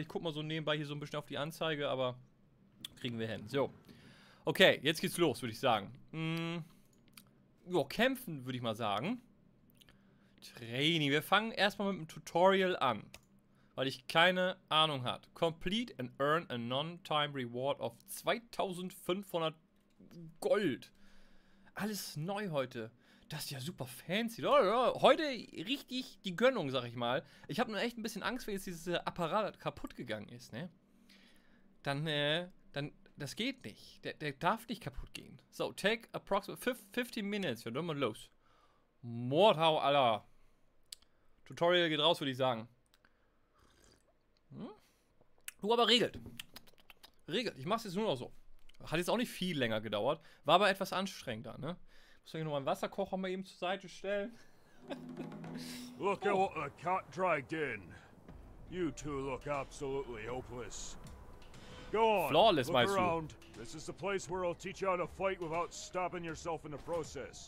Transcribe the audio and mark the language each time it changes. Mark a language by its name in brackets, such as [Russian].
[German] Ich guck mal so nebenbei hier so ein bisschen auf die Anzeige. Aber kriegen wir hin. So. Okay, jetzt geht's los, würde ich sagen. Ja, kämpfen, würde ich mal sagen. Training. Wir fangen erstmal mit dem Tutorial an. Weil ich keine Ahnung habe. [English] Complete and earn a non-time reward of 2500 Gold. [German] Alles neu heute. Das ist ja super fancy. Heute richtig die Gönnung, sag ich mal. Ich habe nur echt ein bisschen Angst, wenn jetzt dieses Apparat kaputt gegangen ist, ne? Dann das geht nicht. Der darf nicht kaputt gehen. [English] So, take approximately 15 minutes. [German] Ja, dann mal los. Mordhau, Alter. Tutorial geht raus, würde ich sagen. Du aber regelt. Ich mach's jetzt nur noch so. Hat jetzt auch nicht viel länger gedauert. War aber etwas anstrengender, ne? Muss ich noch meinen Wasserkocher mal eben zur Seite stellen. [English] Look at what the cat dragged in. You two look absolutely hopeless. Go on. [German] Flawless, meinst du? [English] This is the place where I'll teach you how to fight without stabbing yourself in the process.